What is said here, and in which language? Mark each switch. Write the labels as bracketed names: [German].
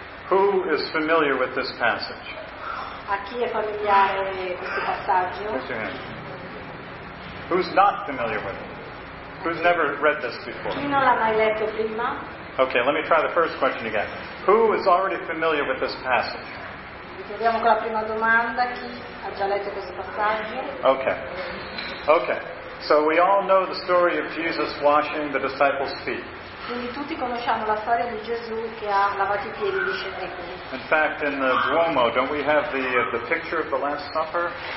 [English] Who is familiar with this passage? [Italian] A chi è familiare questo passaggio? [English] Who's not familiar with it? Who's never read this before? [Italian] Chi non l'ha mai letto prima? [English] Okay, let me try the first question again. Who is already familiar with this passage? [Italian] Ritorniamo con la prima domanda. Chi ha già letto questo passaggio? [English] Okay. So we all know the story of Jesus washing the disciples' feet. [Italian] Quindi tutti conosciamo la storia di Gesù che ha lavato i piedi dei discepoli. [English] In fact, in the Duomo, don't we have the picture of the Last Supper?